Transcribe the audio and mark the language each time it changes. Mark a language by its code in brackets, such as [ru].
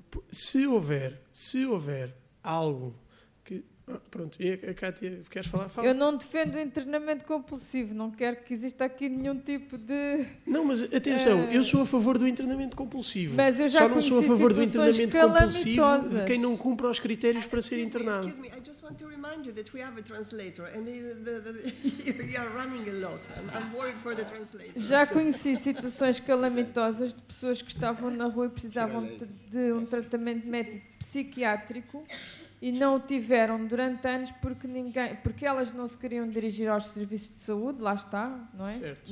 [pt] Se houver algo que... Pronto, e a Kátia, queres falar? Fala. Eu não defendo o internamento compulsivo, não quero que exista aqui nenhum tipo de... Não, mas atenção, eu sou a favor do internamento compulsivo. Mas eu já só não sou a favor do internamento calamitosas. Compulsivo de quem não cumpre os critérios para ser internado. [en] Excuse me, I just want to remind you that we have a translator and you are running a lot. I'm worried for the translator. [pt] Já conheci situações calamitosas de pessoas que estavam na rua e precisavam de um tratamento médico psiquiátrico e não o tiveram durante anos porque elas não se queriam dirigir aos serviços de saúde, lá está, não é? Certo.